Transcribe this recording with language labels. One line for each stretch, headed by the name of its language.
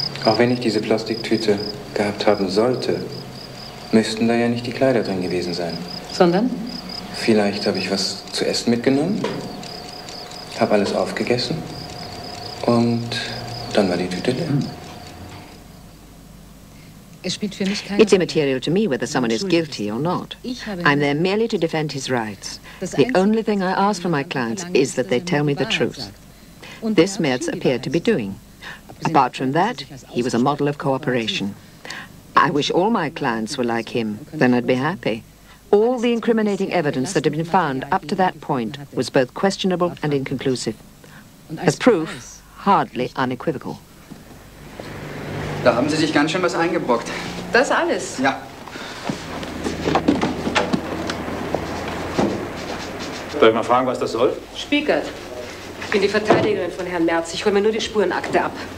German: Auch wenn ich diese Plastiktüte gehabt haben sollte, müssten da ja nicht die Kleider drin gewesen sein. Sondern? Vielleicht habe ich was zu essen mitgenommen. Hab alles aufgegessen und dann war die Tüte leer. Es spielt für mich keine.
English: It's immaterial to me whether someone is guilty or not. I'm there merely to defend his rights. The only thing I ask from my clients is that they tell me the truth. This Merz appeared to be doing. Apart from that, he was a model of cooperation. I wish all my clients were like him, then I'd be happy. All the incriminating evidence that had been found up to that point was both questionable and inconclusive. As proof, hardly unequivocal.
German: Da haben Sie sich ganz schön was eingebrockt. Das alles? Ja. Darf ich mal fragen, was das soll? Spiekert. Ich bin die Verteidigerin von Herrn Merz. Ich hole mir nur die Spurenakte ab.